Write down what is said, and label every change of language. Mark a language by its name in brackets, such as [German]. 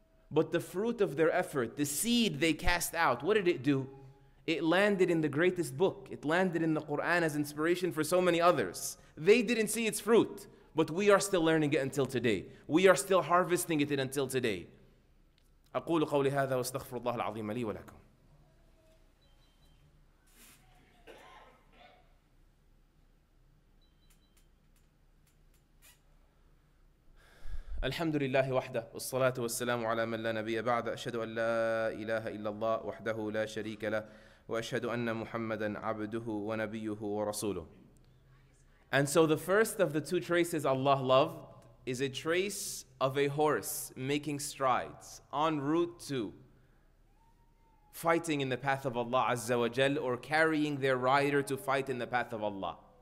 [English] But the fruit of their effort, the seed they cast out, what did it do? It landed in the greatest book. It landed in the Quran as inspiration for so many others. They didn't see its fruit, but we are still learning it until today. We are still harvesting it until today. [Arabic] أقول قولي هذا واستغفر الله العظيم لي ولكم. الحمد لله وحده والصلاة والسلام على من لا نبي بعد أشهد أن لا إله إلا الله وحده لا شريك له وأشهد أن محمدا عبده ونبيه ورسوله. [English] And so the first of the two traces Allah loved is a trace of a horse making strides en route to fighting in the path of Allah Azza wa Jal, or carrying their rider to fight in the path of Allah.